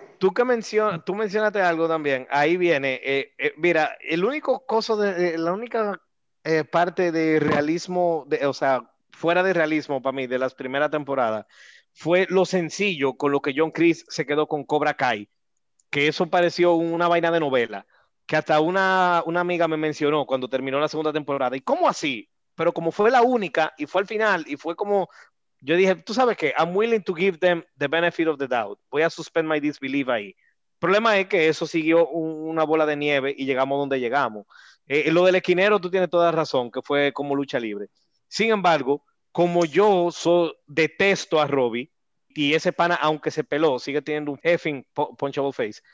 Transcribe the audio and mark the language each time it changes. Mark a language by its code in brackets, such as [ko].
[es] Tú mencionaste algo también. Ahí viene. Mira, el único coso de la única parte de realismo, o sea, fuera de realismo para mí, de las primeras temporadas, fue lo sencillo con lo que John Chris se quedó con Cobra Kai. Que eso pareció una vaina de novela. Que hasta una amiga me mencionó cuando terminó la segunda temporada. ¿Y cómo así? Pero como fue la única y fue al final y fue como. [en] Yo dije, tú sabes qué, I'm willing to give them the benefit of the doubt. [es] Voy a suspend my disbelief ahí. El problema es que eso siguió una bola de nieve y llegamos donde llegamos. Lo del esquinero, tú tienes toda razón, que fue como lucha libre. Sin embargo, como yo detesto a Robbie y ese pana, aunque se peló, sigue teniendo un effing punchable face.